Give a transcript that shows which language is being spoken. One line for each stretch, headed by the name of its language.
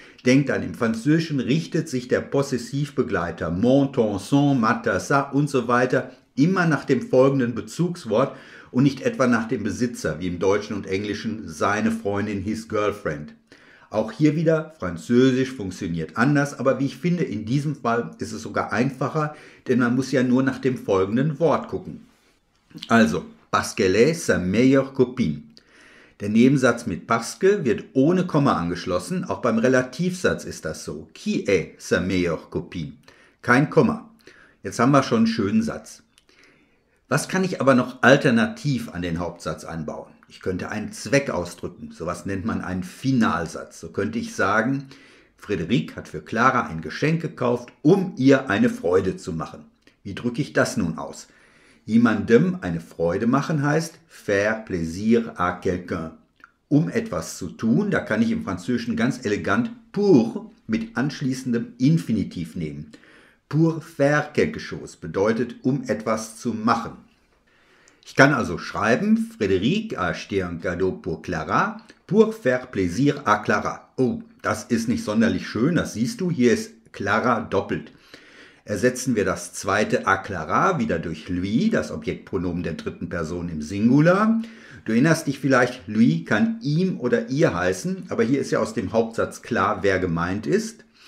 German: Denkt an, im Französischen richtet sich der Possessivbegleiter, mon, ton, son, ma, ta, sa und so weiter, immer nach dem folgenden Bezugswort und nicht etwa nach dem Besitzer, wie im Deutschen und Englischen, seine Freundin,
English: his girlfriend.
German: Auch hier wieder, Französisch funktioniert anders, aber wie ich finde, in diesem Fall ist es sogar einfacher, denn man muss ja nur nach dem folgenden Wort gucken. Also,
French: parce qu'elle est sa meilleure copine.
German: Der Nebensatz mit parce que wird ohne Komma angeschlossen, auch beim Relativsatz ist das so.
French: Qui est sa meilleure copine?
German: Kein Komma. Jetzt haben wir schon einen schönen Satz. Was kann ich aber noch alternativ an den Hauptsatz einbauen? Ich könnte einen Zweck ausdrücken, sowas nennt man einen Finalsatz. So könnte ich sagen, Frederik hat für Clara ein Geschenk gekauft, um ihr eine Freude zu machen. Wie drücke ich das nun aus? Jemandem eine Freude machen heißt
French: faire plaisir à quelqu'un.
German: Um etwas zu tun, da kann ich im Französischen ganz elegant pour mit anschließendem Infinitiv nehmen.
French: Pour faire quelque chose
German: bedeutet, um etwas zu machen. Ich kann also schreiben,
French: Frédéric a acheté un cadeau pour Clara, pour faire plaisir à Clara.
German: Oh, das ist nicht sonderlich schön, das siehst du, hier ist Clara doppelt. Ersetzen wir das zweite
French: à Clara
German: wieder durch lui, das Objektpronomen der dritten Person im Singular. Du erinnerst dich vielleicht, lui kann ihm oder ihr heißen, aber hier ist ja aus dem Hauptsatz klar, wer gemeint ist.